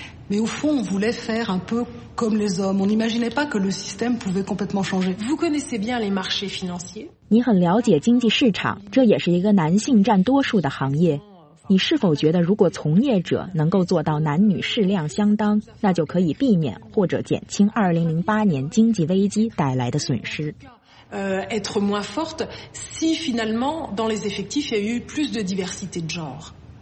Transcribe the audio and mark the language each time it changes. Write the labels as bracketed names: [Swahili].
[French] Mais au fond, on voulait faire un peu comme les hommes. On n'imaginait pas que le système pouvait complètement changer. Vous connaissez bien les marchés financiers. [Chinese] 你很了解经济市场，这也是一个男性占多数的行业。你是否觉得，如果从业者能够做到男女适量相当，那就可以避免或者减轻2008年经济危机带来的损失？ [French] Être moins forte si finalement dans les effectifs il y a eu plus de diversité de genre.